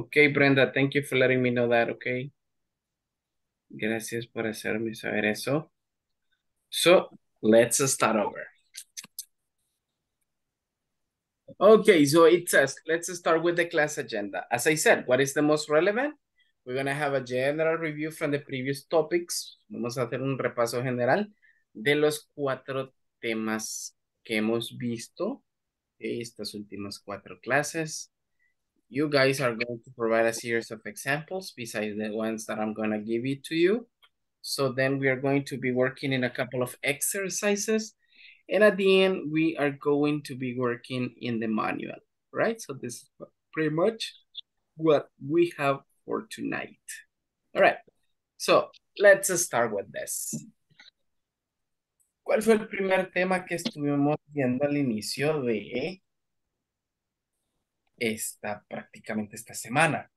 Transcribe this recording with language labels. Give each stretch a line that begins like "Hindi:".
English: Okay, Brenda, thank you for letting me know that, okay?
Spanish: Gracias por hacerme saber eso.
English: So, let's start over. Okay, so it says, let's start with the class agenda. As I said, what is the most relevant? We're going to have a general review from the previous topics.
Spanish: Vamos a hacer un repaso general de los 4 temas que hemos visto. Estas últimas 4 clases.
English: You guys are going to provide a series of examples besides the ones that I'm going to give it to you. So then we are going to be working in a couple of exercises. And at the end, we are going to be working in the manual, right? So this is pretty much what we have for tonight. All right. So let's start with this.
Spanish: ¿Cuál fue el primer tema que estuvimos viendo al inicio de esta, prácticamente esta semana?